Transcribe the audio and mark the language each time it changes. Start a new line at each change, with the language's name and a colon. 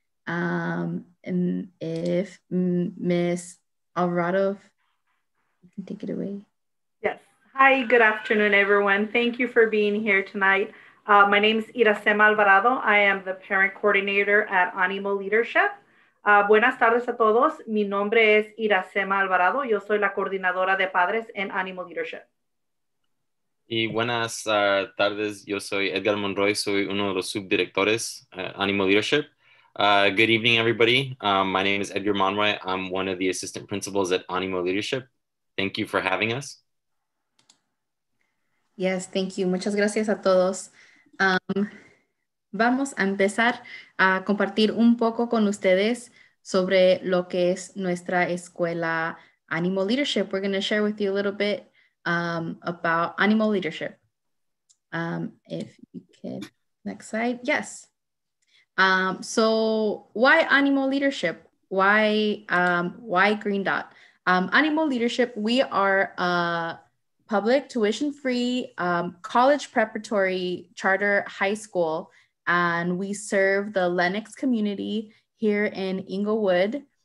English: And if Ms. Alvarado, you can take it away. Hi, good afternoon, everyone. Thank you for being here tonight. My name is Iracema Alvarado. I am the parent coordinator at ANIMO Leadership.
Spanish: Buenas tardes a todos. Mi nombre es Iracema Alvarado. Yo soy la coordinadora de padres en ANIMO Leadership. Y buenas tardes. Yo soy Edgar Monroy. Soy uno de los subdirectores at ANIMO Leadership.
English: Good evening, everybody. My name is Edgar Monroy. I'm one of the assistant principals at ANIMO Leadership. Thank you for having us. Yes, thank you.
Spanish: Muchas gracias a todos. Vamos a empezar a compartir un poco con ustedes sobre lo que es nuestra escuela ANIMO Leadership.
English: We're going to share with you a little bit about ANIMO Leadership. If you could, next slide. Yes. So why ANIMO Leadership? Why Green Dot? ANIMO Leadership, we are a public tuition-free college preparatory charter high school, and we serve the Lenox community here in Inglewood.